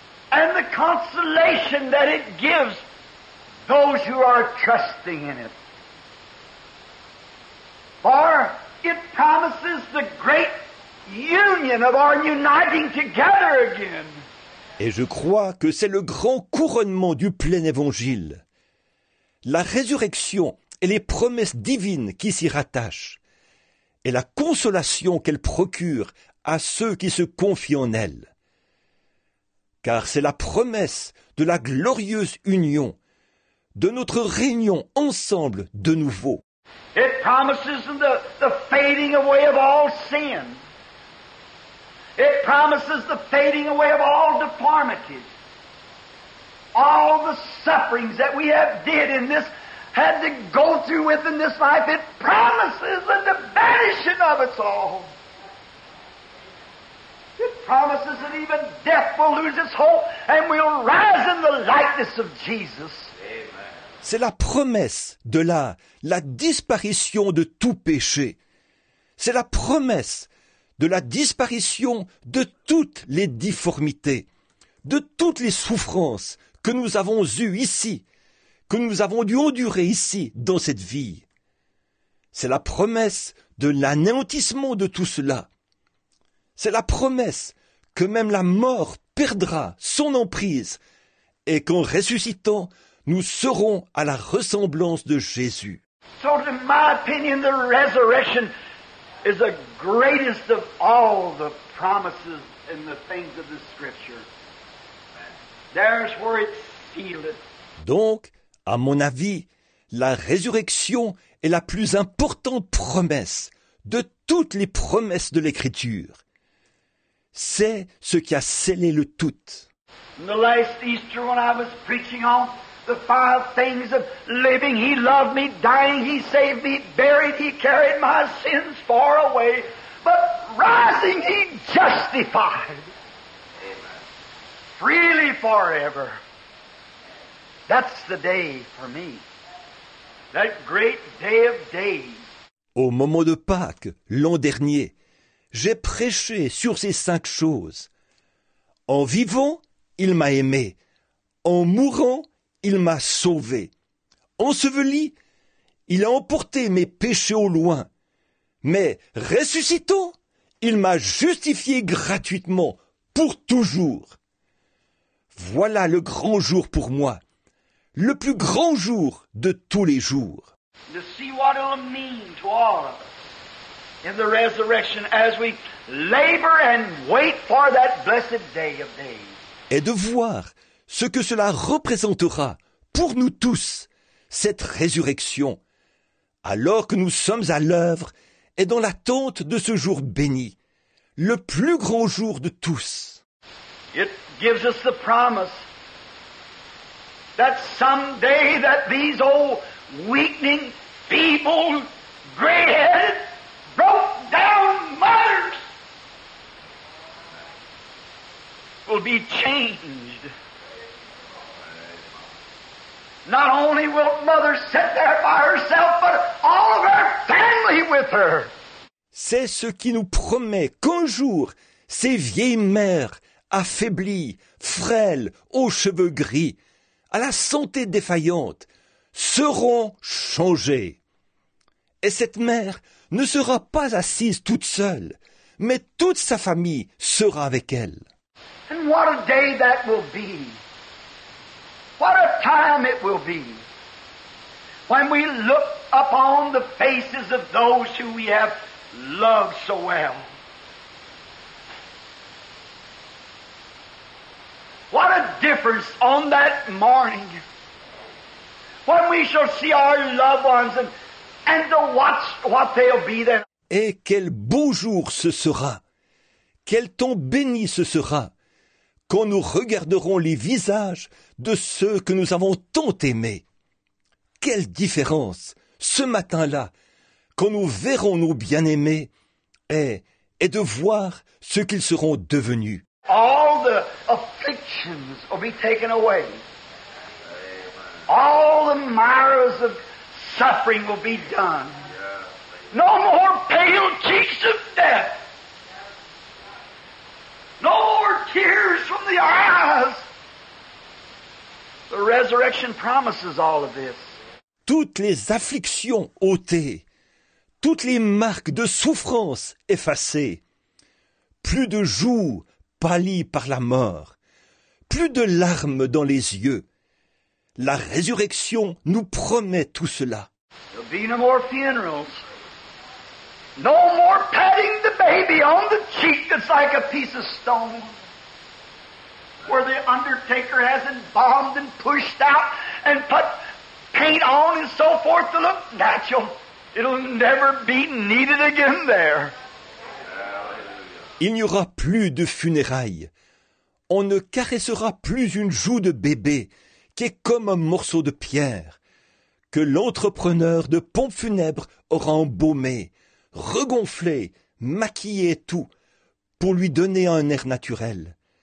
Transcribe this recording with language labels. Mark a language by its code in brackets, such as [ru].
[en] And the consolation that it gives those who are trusting in it. For it promises the great union of our uniting together again. [fr] Et je crois que c'est le grand couronnement du plein évangile. La résurrection et les promesses divines qui s'y rattachent. Et la consolation qu'elle procure à ceux qui se confient en elle. Car c'est la promesse de la glorieuse union, de notre réunion ensemble de nouveau. [en] It promises the fading away of all sin. It promises the fading away of all deformities. All the sufferings that we have did in this, had to go through with in this life, it promises the vanishing of us all. It promises that even death will lose its hold and we'll rise in the likeness of Jesus. [fr] C'est la promesse de la disparition de tout péché. C'est la promesse de la disparition de toutes les difformités, de toutes les souffrances que nous avons eues ici, que nous avons dû endurer ici dans cette vie. C'est la promesse de l'anéantissement de tout cela. C'est la promesse que même la mort perdra son emprise et qu'en ressuscitant, nous serons à la ressemblance de Jésus. [en] So in my opinion, the resurrection is the greatest of all the promises in the things of the Scripture. There's where it sealed it. [fr] Donc, à mon avis, la résurrection est la plus importante promesse de toutes les promesses de l'Écriture. C'est ce qui a scellé le tout. [en] The last Easter when I was preaching on the five things of living, he loved me, dying, he saved me, buried, he carried my sins far away, but rising he justified. Freely forever. That's the day for me. That great day of days. [fr] Au moment de Pâques, l'an dernier, j'ai prêché sur ces cinq choses. En vivant, il m'a aimé. En mourant, il m'a sauvé. Enseveli, il a emporté mes péchés au loin. Mais ressuscitant, il m'a justifié gratuitement, pour toujours. Voilà le grand jour pour moi, le plus grand jour de tous les jours. [en] To see what it'll mean to all of us. In the resurrection, as we labor and wait for that blessed day of days. [fr] Et de voir ce que cela représentera pour nous tous, cette résurrection, alors que nous sommes à l'œuvre et dans l'attente de ce jour béni, le plus grand jour de tous. [en] It gives us the promise that someday that these old weakening, feeble, gray-headed, broke-down mothers will be changed. Not only will mother sit there by herself, but all of her family with her. [fr] C'est ce qui nous promet qu'un jour, ces vieilles mères, affaiblies, frêles, aux cheveux gris, à la santé défaillante, seront changées. Et cette mère ne sera pas assise toute seule, mais toute sa famille sera avec elle. [en] And what a day that will be. What a time it will be. When we look upon the faces of those who we have loved so well. What a difference on that morning. When we shall see our loved ones and to watch what they'll be there. [fr] Et quel beau jour ce sera! Quel temps béni ce sera quand nous regarderons les visages de ceux que nous avons tant aimés. Quelle différence ce matin-là quand nous verrons nos bien-aimés et de voir ce qu'ils seront devenus. [en] All the afflictions will be taken away. All the mires of suffering will be done. No more pale cheeks of death. No more tears from the eyes. The resurrection promises all of this. [fr] Toutes les afflictions ôtées, toutes les marques de souffrance effacées, plus de joues pâlies par la mort, plus de larmes dans les yeux. La résurrection nous promet tout cela. [en] There'll be no more funerals. No more patting the baby on the cheek that's like a piece of stone. Where the undertaker has embalmed and pushed out and put paint on and so forth to look natural. It'll never be needed again there. [fr] Il n'y aura plus de funérailles. On ne caressera plus une joue de bébé qui est comme un morceau de pierre que l'entrepreneur de pompes funèbres aura embaumé, regonflé, maquillé et tout pour lui donner un air naturel.